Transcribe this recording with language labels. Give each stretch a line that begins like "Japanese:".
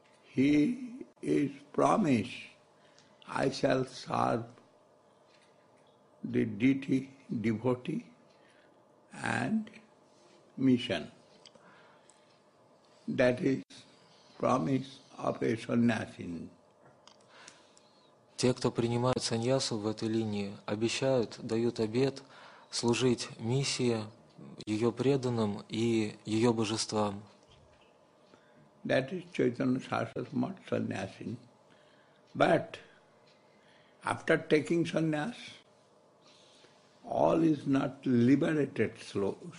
English: He is promised, I shall serve the deity, devotee, and mission. That is promise of a sannyasin.
Russian: Те, кто принимают саньясу в этой линии, обещают, дают обет служить миссии, ее преданным и ее божествам.
English: That is Chaitanya Sarasvati sannyasin. But after taking sannyas, all is not liberated souls.